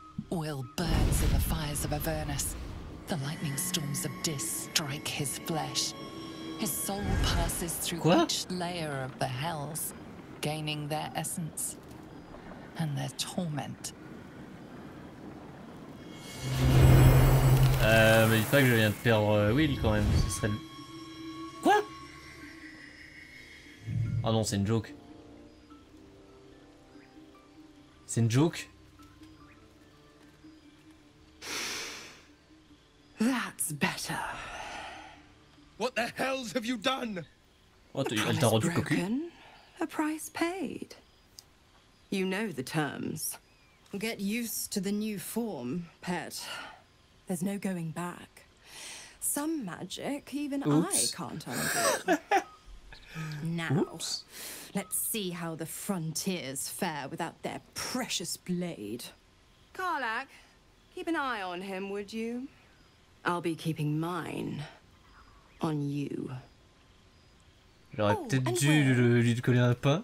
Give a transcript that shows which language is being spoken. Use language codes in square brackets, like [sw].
[en] Wyll burns in the fires of Avernus. The lightning storms of Dis strike his flesh. His soul passes through each layer of the hells, gaining their essence and their torment. [fr] Mais dis pas que je viens de perdre Wyll quand même, ce serait... Quoi? Oh non, c'est une joke. C'est une joke? [en] That's better. What the hells have you done? [fr] Elle t'a rendu cocu? [en] A price paid. You know the terms. Get used to the new form, pet. There's no going back. Some magic, even Oops. I can't undo. Now, Oops. Let's see how the frontiers fare without their precious blade. Karlak, keep an eye on him, would you? I'll be keeping mine on you. [fr] J'aurais peut-être dû lui coller un pain.